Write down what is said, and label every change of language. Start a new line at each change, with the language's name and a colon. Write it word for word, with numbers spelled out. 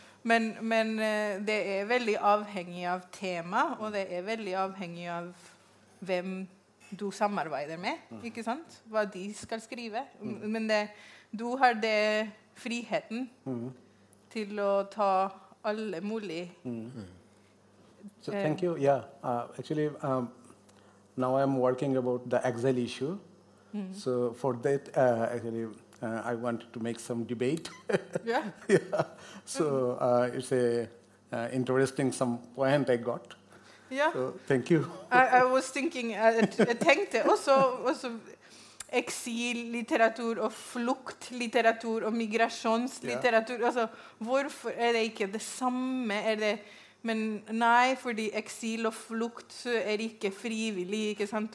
Swedish: Men men det är väldigt avhängigt av tema och det är väldigt avhängigt av vem du samarbetar med, mm. inte sant? Vad de ska skriva. Mm. Men det, du har det friheten mm. till att ta alla möjliga. Mm.
English: So thank you. Yeah, uh, actually, um, now I'm working about the exile issue. Mm. So for that, uh, actually, uh, I want to make some debate. Yeah. yeah. So uh, it's a uh, interesting some point I got. Yeah. So, thank you. I, I was thinking, I, I
Swedish: tänkte också, också exillitteratur och fluktlitteratur och migrationslitteratur.
English: Yeah.
Swedish: Alltså, varför är det inte detsamma? Är det, men nej, för exil och flukt så är det inte frivillig, inte sant?